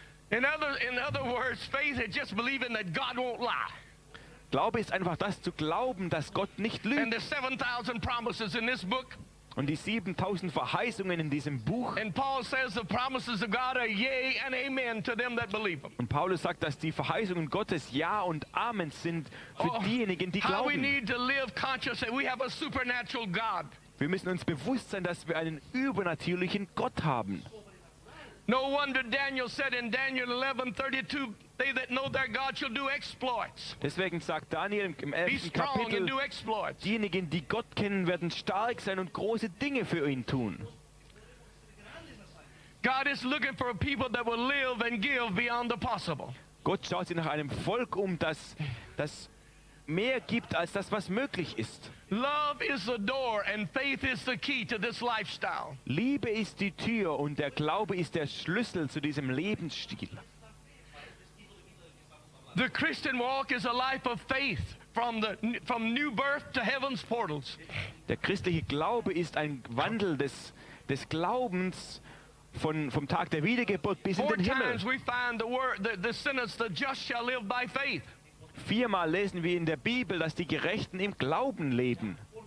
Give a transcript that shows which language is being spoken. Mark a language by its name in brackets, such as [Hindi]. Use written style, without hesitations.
[English] In other words, faith is just believing that God won't lie. [German] Glaube ist einfach das zu glauben, dass Gott nicht lügt. [English] And the 7,000 promises in this book. [German] Und die 7,000 Verheißungen in diesem Buch. [English] And Paul says the promises of God are yea and amen to them that believe them. [German] Und Paulus sagt, dass die Verheißungen Gottes ja und amen sind für diejenigen, die glauben. [English] How we need to live conscious that we have a supernatural God. [German] Wir müssen uns bewusst sein, dass wir einen übernatürlichen Gott haben. [English] No wonder Daniel said in Daniel 11:32, they that know their God shall do exploits. [German] Deswegen sagt Daniel im 11. Kapitel, diejenigen, die Gott kennen, werden stark sein und große Dinge für ihn tun. [English] God is looking for a people that will live and give beyond the possible. [German] Gott schaut sich nach einem Volk um, das mehr gibt als das, was möglich ist. [English] Love is the door and faith is the key to this lifestyle. [German] Liebe ist die Tür und der Glaube ist der Schlüssel zu diesem Lebensstil. [English] The Christian walk is a life of faith from new birth to heaven's portals. [German] Der christliche Glaube ist ein Wandel des Glaubens vom Tag der Wiedergeburt bis in den Himmel. [English] Four times we find the word the sentence the just shall live by faith. [German] Viermal lesen wir in der Bibel, dass die Gerechten im Glauben leben.